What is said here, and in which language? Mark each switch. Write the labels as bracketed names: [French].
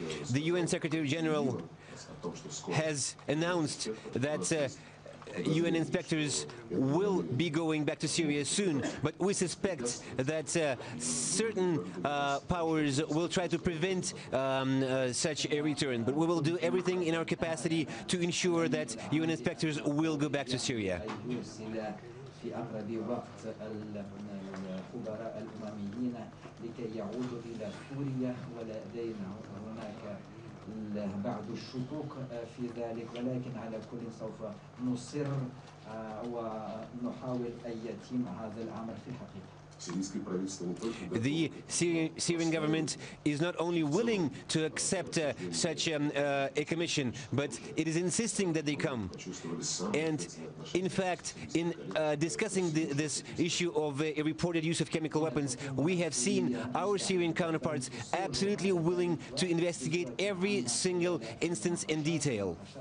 [English] The UN Secretary General has announced that UN inspectors will be going back to Syria soon, but we suspect that certain powers will try to prevent such a return. But we will do everything in our capacity to ensure that UN inspectors will go back to Syria. [Arabic] في أقرب وقت الخبراء الأمميين لكي يعودوا إلى سوريا ولدينا هناك بعض الشكوك في ذلك ولكن على كل سوف نصر ونحاول أن يتم هذا الأمر في الحقيقة. [English] The Syrian government is not only willing to accept such a commission, but it is insisting that they come. And in fact, in discussing this issue of a reported use of chemical weapons, we have seen our Syrian counterparts absolutely willing to investigate every single instance in detail.